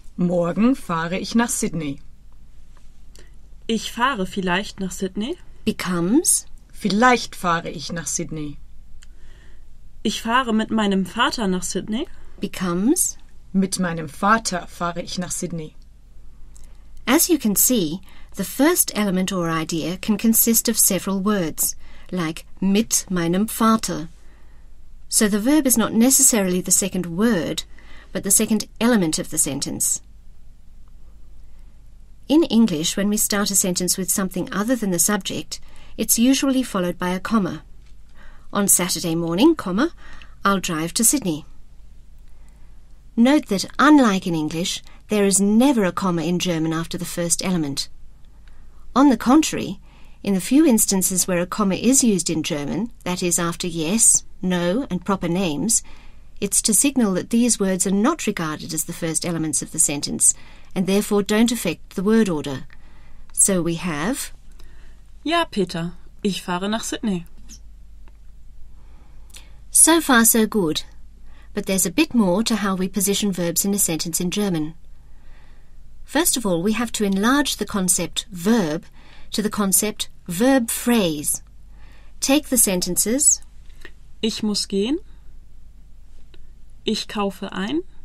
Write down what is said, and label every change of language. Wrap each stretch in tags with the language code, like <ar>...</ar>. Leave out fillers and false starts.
<de>morgen fahre ich nach Sydney. Ich fahre vielleicht nach Sydney.</de> <en>Becomes</en> <de>vielleicht fahre ich nach Sydney. Ich fahre mit meinem Vater nach Sydney.</de> <en>Becomes</en> <de>mit meinem Vater fahre ich nach Sydney.</de> <en>As you can see, the first element or idea can consist of several words, like</en> <de>mit meinem Vater.</de> <en>So the verb is not necessarily the second word, but the second element of the sentence. In English, when we start a sentence with something other than the subject, it's usually followed by a comma. On Saturday morning, comma, I'll drive to Sydney. Note that, unlike in English, there is never a comma in German after the first element. On the contrary, in the few instances where a comma is used in German, that is, after yes, no, and proper names, it's to signal that these words are not regarded as the first elements of the sentence and therefore don't affect the word order. So we have...</en> <de>Ja, Peter, ich fahre nach Sydney.</de> <en>So far, so good. But there's a bit more to how we position verbs in a sentence in German. First of all, we have to enlarge the concept verb to the concept verb phrase. Take the sentences...</en> <de>Ich muss gehen. Ich kaufe ein.</de>